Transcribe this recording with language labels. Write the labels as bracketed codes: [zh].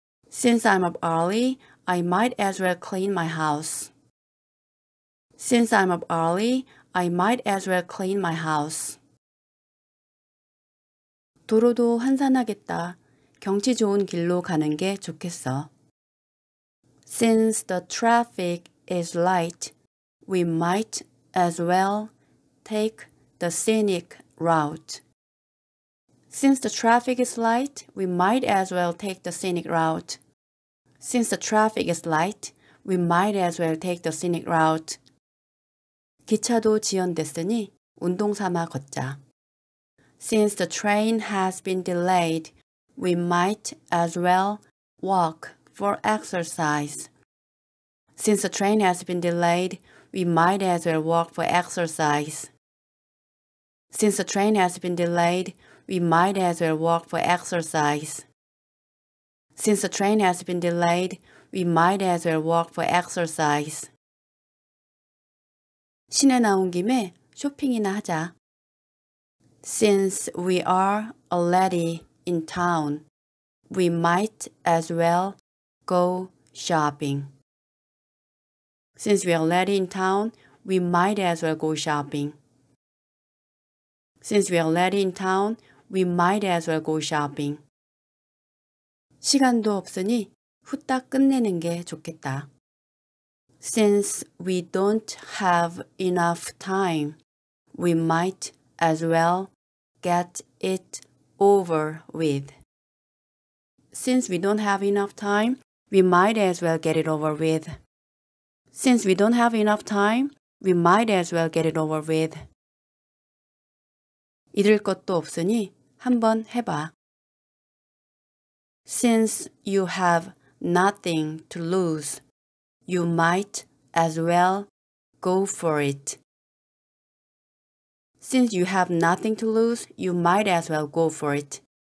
[en] Since I'm up early, I might as well clean my house. Since I'm up early, I might as well clean my house. [ko] 도로도 한산하겠다. 경치 좋은 길로 가는 게 좋겠어. [en] Since the traffic is light, we might as well take the scenic route. Since the traffic is light, we might as well take the scenic route. Since the traffic is light, we might as well take the scenic route. [ko] 기차도 지연됐으니 운동 삼아 걷자. [en] Since the train has been delayed, we might as well walk for exercise. Since the train has been delayed, we might as well walk for exercise. Since the train has been delayed, we might as well walk for exercise. Since the train has been delayed, we might as well walk for exercise. [ko] 시내 나온 김에 쇼핑이나 하자. [en] Since we are already in town, we might as well go shopping. Since we are already in town, we might as well go shopping. Since we are already in town, we might as well go shopping. [ko] 시간도 없으니 후딱 끝내는 게 좋겠다. [en] Since we don't have enough time, we might as well get it over with. Since we don't have enough time, we might as well get it over with. Since we don't have enough time, we might as well get it over with. [ko] 잃을 것도 없으니 한번 해봐. [en] Since you have nothing to lose, you might as well go for it. Since you have nothing to lose, you might as well go for it.